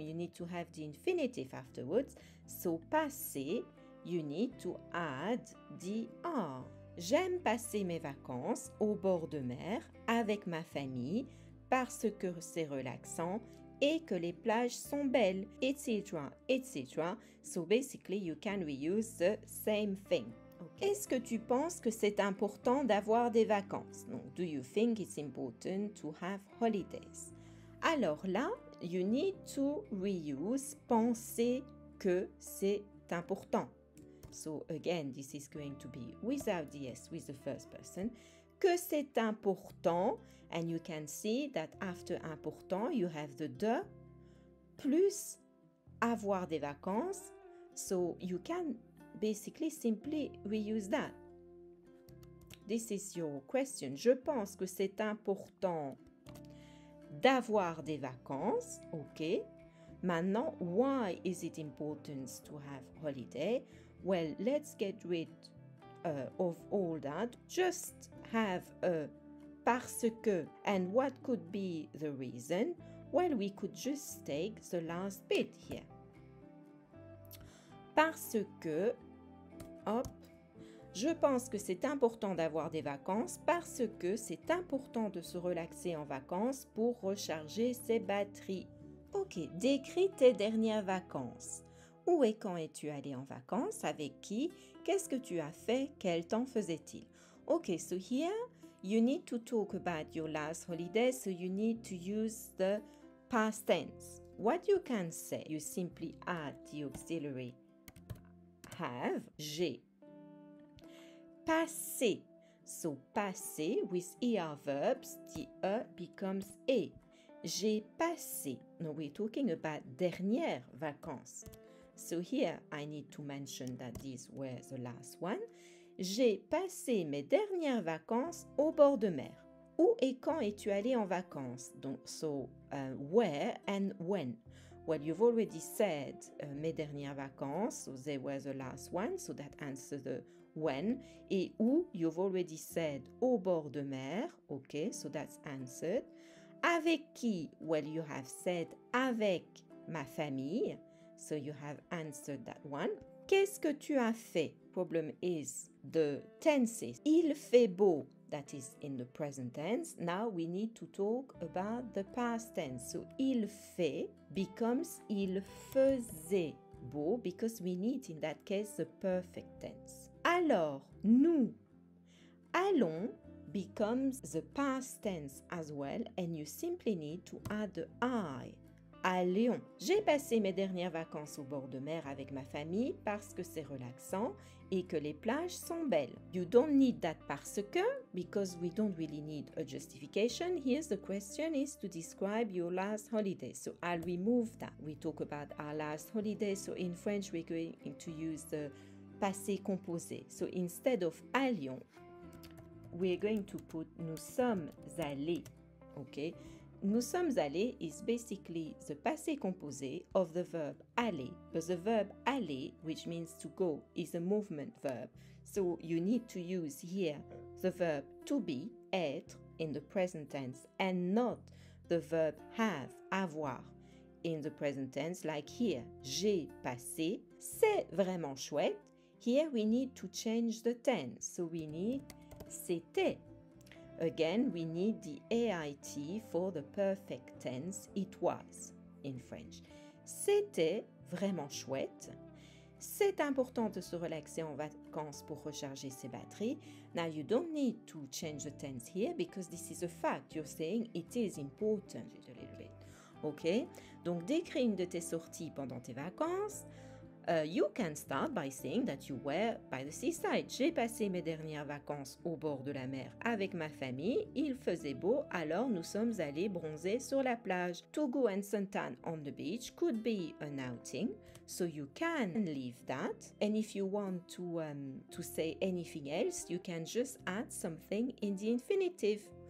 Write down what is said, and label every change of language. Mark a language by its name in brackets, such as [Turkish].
[English] You need to have the infinitive afterwards. So passé, you need to add the R. [French] J'aime passer mes vacances au bord de mer avec ma famille parce que c'est relaxant et que les plages sont belles, etc., etc. [English] So basically, you can reuse the same thing. Okay. [French] Est-ce que tu penses que c'est important d'avoir des vacances? [English] Donc, do you think it's important to have holidays? [French] Alors là, [English] you need to reuse [French] penser que c'est important. [English] So again, this is going to be without the S, with the first person. [French] Que c'est important, [English] and you can see that after important, you have the de, [French] plus avoir des vacances. [English] So you can basically simply reuse that. This is your question. [French] Je pense que c'est important d'avoir des vacances. [English] Okay. [French] Maintenant, [English] why is it important to have holiday? Well, let's get rid of all that. Just have a [French] parce que. [English] And what could be the reason? Well, we could just take the last bit here. [French] Parce que, hop, je pense que c'est important d'avoir des vacances, parce que c'est important de se relaxer en vacances pour recharger ses batteries. Ok, décris tes dernières vacances. Où et quand es-tu allé en vacances? Avec qui? Qu'est-ce que tu as fait? Quel temps faisait-il? [English] Ok, so here, you need to talk about your last holiday, so you need to use the past tense. What you can say? You simply add the auxiliary have, j'ai. Passé. So, passé with ER verbs, the E becomes E. [French] J'ai passé. [English] Now we're talking about [French] dernière vacances. [English] So here, I need to mention that these were the last one. [French] J'ai passé mes dernières vacances au bord de mer. Où et quand es-tu allé en vacances? [English] Donc, so, where and when? Well, you've already said [French] mes dernières vacances, [English] so they were the last one, so that answers the when. [French] Et où, [English] you've already said [French] au bord de mer, [English] okay, so that's answered. [French] Avec qui? [English] Well, you have said [French] avec ma famille, [English] so you have answered that one. [French] Qu'est-ce que tu as fait? [English] Problem is the tenses. [French] Il fait beau. [English] That is in the present tense. Now we need to talk about the past tense. So [French] il fait [English] becomes [French] il faisait beau [English] because we need in that case the perfect tense. [French] Alors, nous allons [English] becomes the past tense as well and you simply need to add the I. [French] Allons. J'ai passé mes dernières vacances au bord de mer avec ma famille parce que c'est relaxant et que les plages sont belles. [English] You don't need that parce que, because we don't really need a justification. Here's the question is to describe your last holiday. So I'll remove that. We talk about our last holiday. So in French, we're going to use the passé composé. So instead of allons, we're going to put [French] nous sommes allés. [English] Okay? [French] Nous sommes allés [English] is basically the passé composé of the verb aller. But the verb aller, which means to go, is a movement verb. So you need to use here the verb to be, être, in the present tense, and not the verb have, avoir, in the present tense, like here, [French] j'ai passé, c'est vraiment chouette. [English] Here we need to change the tense. So we need c'était. Again, we need the AIT for the perfect tense, it was, in French. [French] C'était vraiment chouette. C'est important de se relaxer en vacances pour recharger ses batteries. [English] Now, you don't need to change the tense here because this is a fact. You're saying it is important. Just a little bit. OK? [French] Donc, décris une de tes sorties pendant tes vacances. [English] You can start by saying that you were by the seaside. [French] J'ai passé mes dernières vacances au bord de la mer avec ma famille. Il faisait beau, alors nous sommes allés bronzer sur la plage. [English] To go and suntan on the beach could be an outing. So you can leave that. And if you want to say anything else, you can just add something in the infinitive.